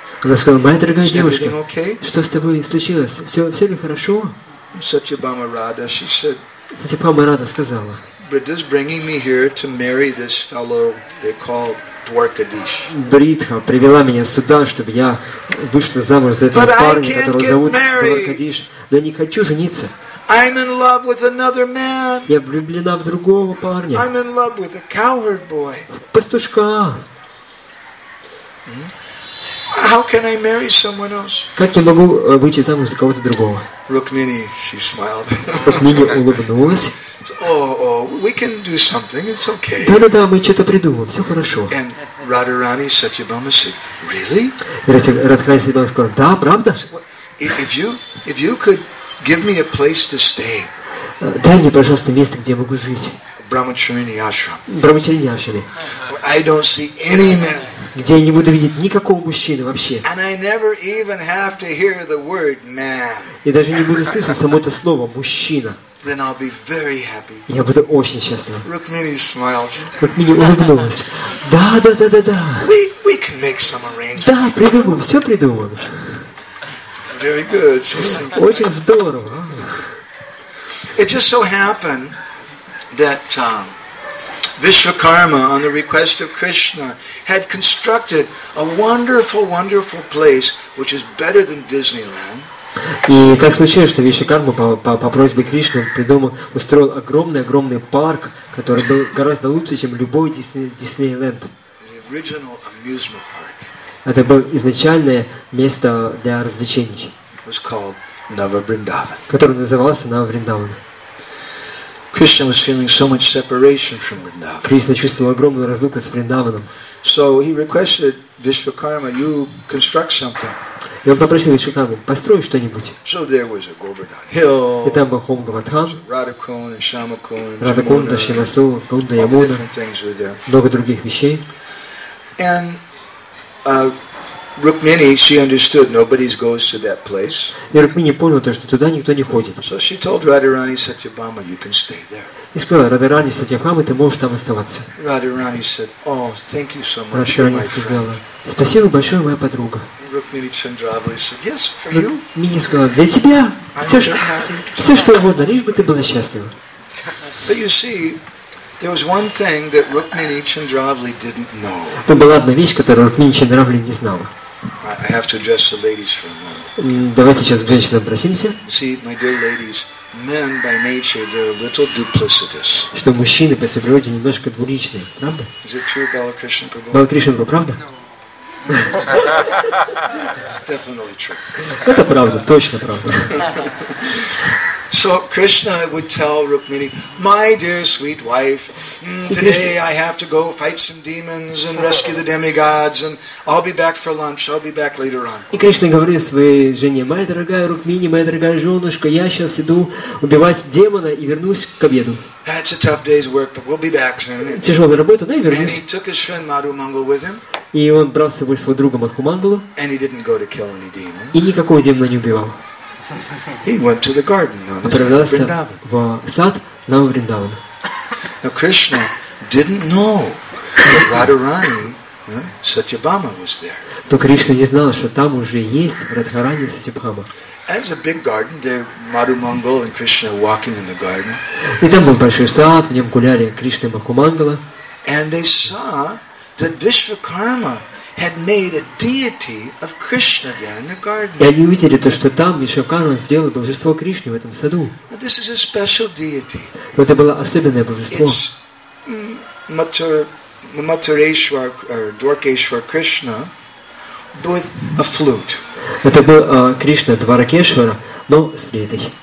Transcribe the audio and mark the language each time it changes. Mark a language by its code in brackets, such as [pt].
[ru] Она сказала, моя дорогая девушка, что с тобой случилось? Все ли хорошо? Сатьябама Рада, [en] she said. [ru] Сатьябама Рада сказала. [en] Brida's bringing me here to marry this fellow they call Dwarkadish. [ru] Бритха привела меня сюда, чтобы я вышла замуж за этого парня, которого зовут Дваркадиш. Но я не хочу жениться. [en] I'm in love with another man. [ru] Я влюблена в другого парня. [en] I'm in love with a coward boy. [ru] Пастушка. [en] How can I marry someone else? [ru] Как я могу выйти замуж за кого-то другого? [en] Rukmini, she smiled. [ru] Rukmini улыбнулась. [en] Oh, we can do something. It's okay. [ru] Да, мы что-то придумаем. Все хорошо. [en] And Radharani Satyabhama said, "Really?" [ru] Радхарани Сатьябама сказал, "Да, правда?" [en] If you could give me a place to stay. [ru] Дай мне, пожалуйста, место, где я могу жить. [en] Brahmacharini ashram. Brahmacharini ashram. I don't see any men. [ru] Где я не буду видеть никакого мужчины вообще. [en] And I never even have to hear the word man. [ru] И даже не буду слышать само это слово мужчина. [en] Then I'll be very happy. [ru] Я буду очень счастлив. [en] Rukmini smiles. [ru] Rukmini улыбнулась. Да. [en] We can make some arrangements. [ru] Да, придумаем, все придумаем. [en] Very good. [ru] Очень здорово. [en] It just so happened that Vishwakarma, on the request of Krishna, had constructed a wonderful, wonderful place, which is better than Disneyland. [ru] И так случилось, что Вишакарма по просьбе Кришны устроил огромный парк, который был гораздо лучше, чем любой Диснейленд. [en] The original amusement park. [ru] Это было изначальное место для развлечений. [en] Was called Navabrindavan. [ru] Который назывался Навабриндаван. [en] Krishna was feeling so much separation from Vrindavan. [ru] Кришна чувствовал огромную разлуку с Вриндаваном. [en] So he requested Vishwakarma, "You construct something." [ru] И он попросил Вишвакарму, построй что-нибудь. [en] So there was a Govardhan Hill. [ru] И там был Хом Говардхан. Радакун и Шамакун. Радакун, Шимасу, Кунда, Ямуна. [en] Different things were there. [ru] Много других вещей. [en] And Rukmini, she understood, nobody goes to that place. [ru] И Рукмини понял то, что туда никто не ходит. [en] So she told Radharani Satyabhama, "You can stay there." [ru] И сказала Радхарани Сатьябама, ты можешь там оставаться. [en] Radharani said, "Oh, thank you so much, my friend." [ru] Сказала, спасибо большое, моя подруга. [en] Rukmini Chandravali said, "Yes, for you." [ru] Мини сказала, для тебя. Все что угодно, лишь бы ты была счастлива. [en] But you see, there was one thing that Rukmini Chandravali didn't know. [ru] Это была одна вещь, которую Рукмини Чандравали не знала. [en] I have to address the ladies for a moment. [ru] Давайте сейчас к женщинам обратимся. [en] See, my dear ladies, men by nature they're a little duplicitous. [ru] Что мужчины по своей природе немножко двуличные, правда? [en] Is it true, Balakrishna Prabhu? [ru] Balakrishna Prabhu, правда? [en] It's definitely true. [ru] Это правда, точно правда. [en] So Krishna would tell Rukmini, "My dear sweet wife, today I have to go fight some demons and rescue the demigods, and I'll be back for lunch. I'll be back later on." [ru] И Кришна говорит своей жене, "Моя дорогая Рукмини, моя дорогая женушка, я сейчас иду убивать демона и вернусь к обеду." [en] That's a tough day's work, but we'll be back soon. [ru] Тяжелая работа, но я вернусь. [en] And he took his friend Madhu Mangal with him. [ru] И он брал с собой своего друга Мадху Мангалу. [en] And he didn't go to kill any demons. [ru] И никакого демона не убивал. [en] He went to the garden on his Vrindavan. [ru] В сад на Вриндаван. [en] Now Krishna didn't know that Radharani, Satyabhama was there. [ru] Но Кришна не знала, что там уже есть Радхарани Сатьябама. [en] As a big garden, there Madhu Mangal and Krishna walking in the garden. [ru] И там был большой сад, в нем гуляли Кришна и Мадху Мангала. [en] And they saw that Vishwakarma had made a deity of Krishna there in the garden. [ru] И они увидели то, что там Вишакхарма сделал божество Кришны в этом саду. [en] Now, this is a special deity. [ru] Это было особенное божество. [en] It's Matureshwar or Dwarkeshwar Krishna with a flute. [ru] Это был Кришна Дваракешвара, но с флейтой.